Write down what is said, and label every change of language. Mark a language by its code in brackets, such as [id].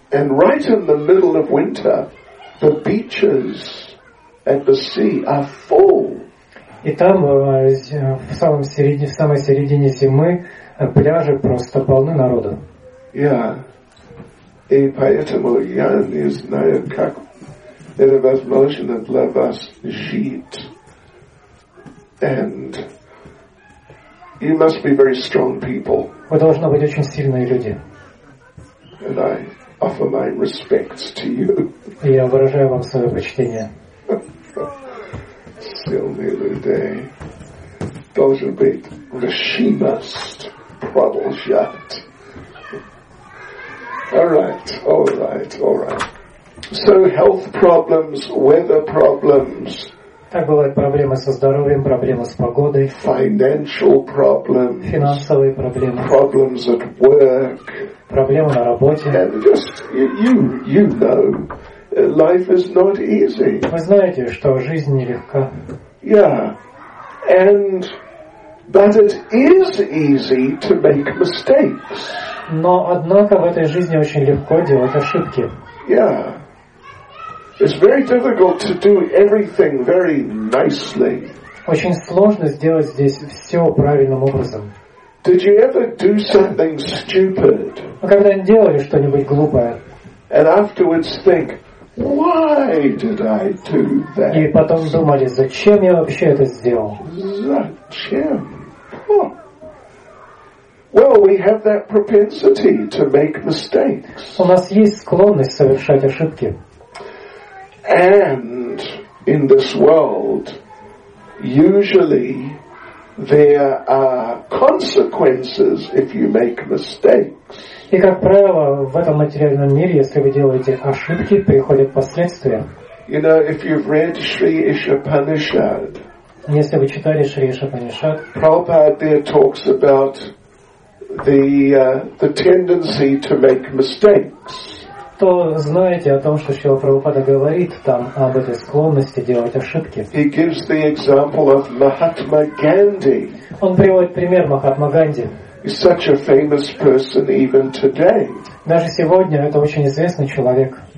[en] And right in the middle of winter, the beaches at the sea are full. [ru] И там, в самой середине зимы, пляжи просто полны народу. [en] Yeah. [ru] И поэтому я не знаю, как это возможно для вас жить. [en] And you must be very strong people. [ru] Вы должны быть очень сильные люди. [en] And I offer my respects to you. [ru] И я выражаю вам свое почтение. Сильные люди должны быть решимость продолжать. [en] All right. So health problems, weather problems. [ru] Так бывают проблемы со здоровьем, проблемы с погодой. [en] Financial problems. [ru] Финансовые проблемы. [en] Problems at work. [ru] Проблемы на работе. [en] And just you know, life is not easy. [ru] Вы знаете, что жизнь нелегка. [en] Yeah, and but it is easy to make mistakes. [ru] Но, однако, в этой жизни очень легко делать ошибки. [en] Yeah. It's very difficult to do everything very nicely. [ru] Очень сложно сделать здесь все правильным образом. [en] Did you ever do something stupid? [ru] Вы когда-нибудь делали что-нибудь глупое? [en] And afterwards think, why did I do that? [ru] И потом думали, зачем я вообще это сделал? Зачем? [en] Well, we have that propensity to make mistakes. [ru] У нас есть склонность совершать ошибки. [en] And in this world, usually there are consequences if you make mistakes. [ru] И как правило, в этом материальном мире, если вы делаете ошибки, приходят последствия. [en] You know, if you've read Sri Ishapanishad, [ru] если вы читали Шри Ишапанишад, [en] Prabhupada there talks about the tendency to make mistakes. [ru] То знаете о том, что Шрила Прабхупада говорит там об этой склонности делать ошибки. [en] He gives the example of Mahatma Gandhi. [ru] Он приводит пример Махатма Ганди. [en] He's such a famous person even today. [ru] Даже сегодня это очень известный человек.